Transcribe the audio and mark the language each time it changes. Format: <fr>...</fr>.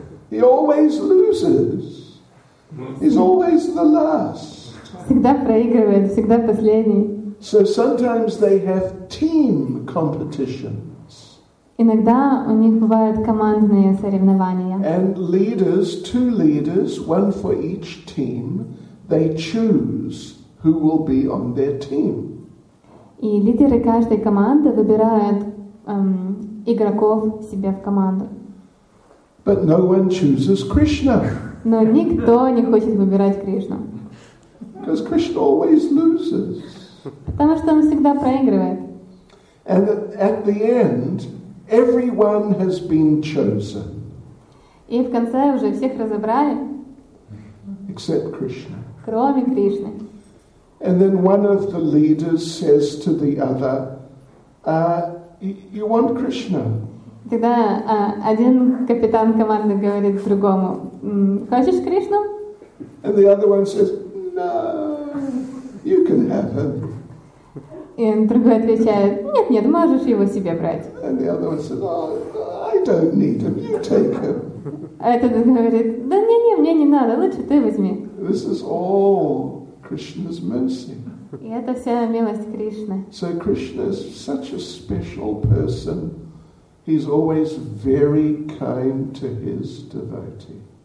<en>He always loses. He's always the last.</en> <ru>Всегда проигрывает, всегда последний.</ru> <en>So sometimes they have team competitions.</en> <ru>Иногда у них бывают командные соревнования.</ru> <en>And leaders, two leaders, one for each team, they choose who will be on their team.</en> <ru>И лидеры каждой команды выбирают игроков себе в команду.</ru> <en>But no one chooses Krishna.</en> <ru>Но никто не хочет выбирать Кришну.</ru> <en>Because Krishna always loses.</en> <ru>Потому что он всегда проигрывает.</ru> <en>And at the end, everyone has been chosen.</en> <ru>И в конце уже всех разобрали.</ru> <en>Except Krishna.</en> <ru>Кроме Кришны.</ru> <en>And then one of the leaders says to the other, you want Krishna.</en> <ru>Тогда один капитан команды говорит другому, хочешь Кришну?</ru> <en>And the other one says, no, you can have him.</en> <ru>И другой отвечает, нет, можешь его себе брать.</ru> <en>And the other one says, I don't need him, you take him.</en> <ru>А этот говорит, да не, мне не надо, лучше ты возьми.</ru> <en>This is all Krishna's mercy.</en> <ru>И это вся милость Кришны.</ru> <en>So Krishna is such a special person. He's always very kind to his devotees.</en>